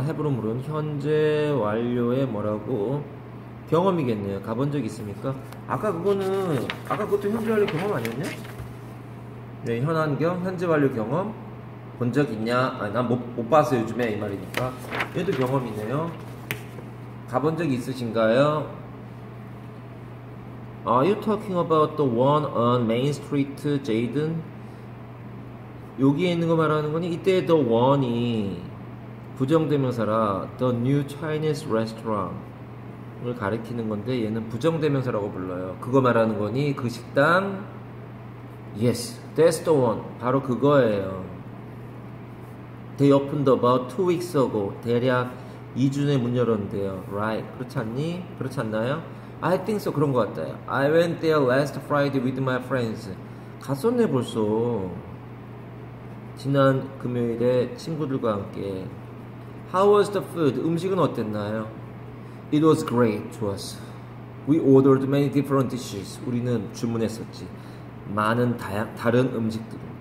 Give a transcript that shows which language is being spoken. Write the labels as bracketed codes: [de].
[ko] have로 물은 현재 완료의 뭐라고 경험이겠네요. 가본 적 있습니까? 아까 그것도 현재 완료 경험 아니었냐? 네, 현안경 현재 완료 경험 본적 있냐? 아, 난못못 봤어요 요즘에 이 말이니까 얘도 경험이네요. 가본 적 있으신가요? [en] Are you talking about the one on Main Street, Jaden? [ko] 여기에 있는 거 말하는 거니? 이때 the one이 부정대명사라 [en] the new Chinese restaurant [ko] 을 가리키는 건데 얘는 부정대명사라고 불러요. 그거 말하는 거니? 그 식당? [en] Yes, that's the one. [ko] 바로 그거예요. [en] They opened about 2 weeks ago. [ko] 대략 2주 전에 문 열었는데요. Right, 그렇지 않니? 그렇지 않나요? [en] I think so. [ko] 그런 것 같아요. [en] I went there last Friday with my friends. [ko] 갔었네, 벌써. 지난 금요일에 친구들과 함께. [en] How was the food? [ko] 음식은 어땠나요? [en] It was great. [ko] 좋았어. [en] We ordered many different dishes. [ko] 우리는 주문했었지. 많은 다른 음식들을.